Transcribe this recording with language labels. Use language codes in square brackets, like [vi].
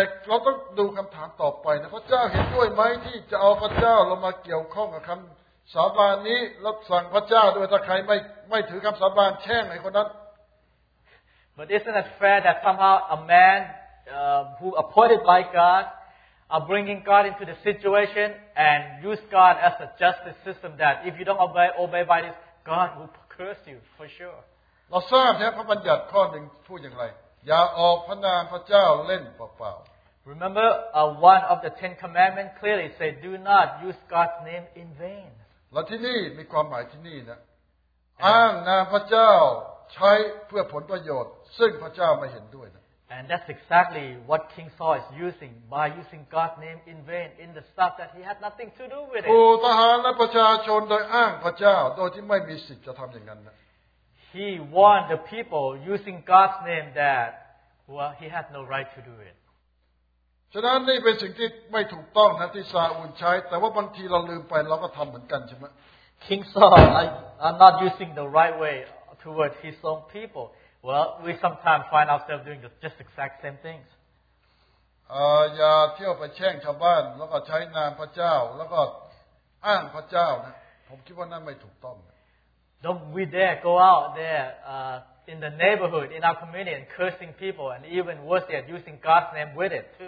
[en] But we have to look at the question next. The king agrees with him that he will bring the king into the meeting with the swearing in and ask the king if anyone does not obey the swearing in. But isn't it fair that somehow a man who appointed by God are bringing God into the situation and use God as a justice system that if you don't obey by this, God will curse you for sure. [th] เราทราบนะพระบัญญัติข้อหนึ่งพูดอย่างไรอย่าออกพระนามพระเจ้าเล่นเปล่า [en] ๆ Remember one of the Ten Commandments clearly say do not use God's name in vain [th] และที่นี่มีความหมายที่นี่นะอ้างนามพระเจ้าใช้เพื่อผลประโยชน์ซึ่งพระเจ้าไม่เห็นด้วยนะ [en] And that's exactly what King Saul is using by using God's name in vain in the stuff that he had nothing to do with it [th] ผู้ทหารและประชาชนโดยอ้างพระเจ้าโดยที่ไม่มีสิทธิ์จะทำอย่างนั้นนะ [en] He warned the people using God's name that, well, he had no right to do it. [th] ฉะนั้นนี่เป็นสิ่งที่ไม่ถูกต้องนะที่ซาอูลใช้แต่ว่าบางทีเราลืมไปเราก็ทำเหมือนกันใช่ไหม [en] King Saul, I'm not using the right way toward his own people. Well, we sometimes find ourselves doing just exact same things. [th] อย่าเที่ยวไปแช่งชาวบ้านแล้วก็ใช้นามพระเจ้าแล้วก็อ้างพระเจ้านะผมคิดว่านั่นไม่ถูกต้อง [en] Don't we dare go out there in the neighborhood, in our community, and cursing people, and even worse yet, using God's name with it,